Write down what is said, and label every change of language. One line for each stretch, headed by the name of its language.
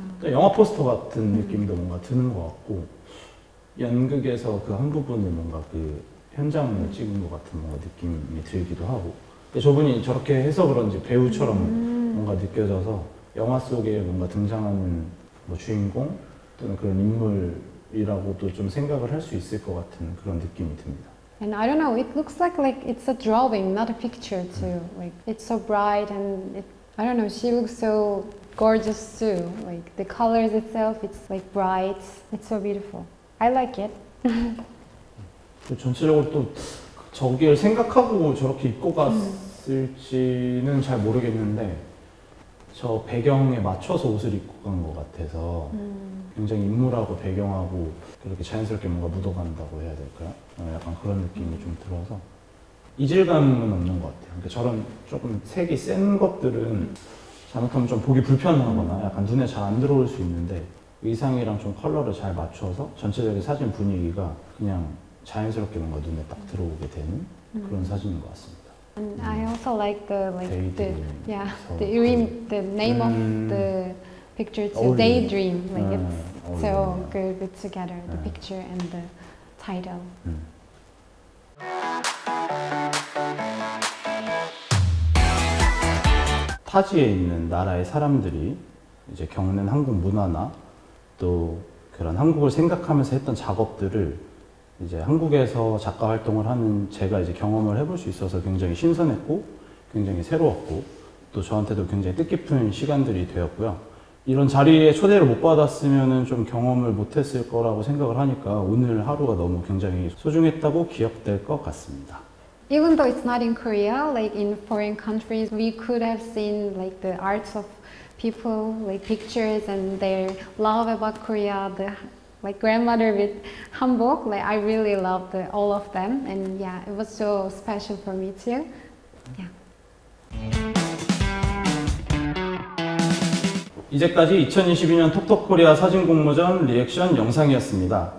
Korean: 또 영화 포스터 같은 느낌도 뭔가 드는 것 같고. 연극에서 그 한 부분을 뭔가 그 현장을 찍은 것 같은 뭔가 느낌이 들기도 하고 근데 저분이 저렇게 해서 그런지 배우처럼 뭔가 느껴져서 영화 속에 뭔가 등장하는 뭐 주인공 또는 그런 인물이라고도 좀 생각을 할 수 있을 것 같은 그런 느낌이 듭니다.
English: And I don't know, it looks like it's a drawing, not a picture too. Like it's so bright and it, I don't know, she looks so gorgeous too. Like the colors itself, it's like bright, it's so beautiful. I like it.
Korean: 전체적으로 또 저기를 생각하고 저렇게 입고 갔을지는 잘 모르겠는데 저 배경에 맞춰서 옷을 입고 간 것 같아서 굉장히 인물하고 배경하고 그렇게 자연스럽게 뭔가 묻어간다고 해야 될까요? 약간 그런 느낌이 좀 들어서 이질감은 없는 것 같아요. 그러니까 저런 조금 색이 센 것들은 잘못하면 좀 보기 불편하거나 약간 눈에 잘 안 들어올 수 있는데 의상이랑 좀 컬러를 잘 맞춰서 전체적인 사진 분위기가 그냥 자연스럽게 뭔가 눈에 딱 들어오게 되는 그런 사진인 것 같습니다.
English: And I also like the like the yeah the dream the name of the picture to daydream like it's so good together the picture and the title.
Korean: 타지에 있는 나라의 사람들이 이제 겪는 한국 문화나 또 그런 한국을 생각하면서 했던 작업들을 이제 한국에서 작가 활동을 하는 제가 이제 경험을 해볼 수 있어서 굉장히 신선했고 굉장히 새로웠고 또 저한테도 굉장히 뜻깊은 시간들이 되었고요. 이런 자리에 초대를 못 받았으면은 좀 경험을 못 했을 거라고 생각을 하니까 오늘 하루가 너무 굉장히 소중했다고 기억될 것 같습니다.
English: Even though it's not in Korea, like in foreign countries, we could have seen like the arts of people, like pictures and their love about Korea, the like grandmother with hanbok. Like I really loved the, all of them and yeah, it was so special for me too. Yeah.
Korean: 이제까지 2022년 톡톡 코리아 사진 공모전 리액션 영상이었습니다.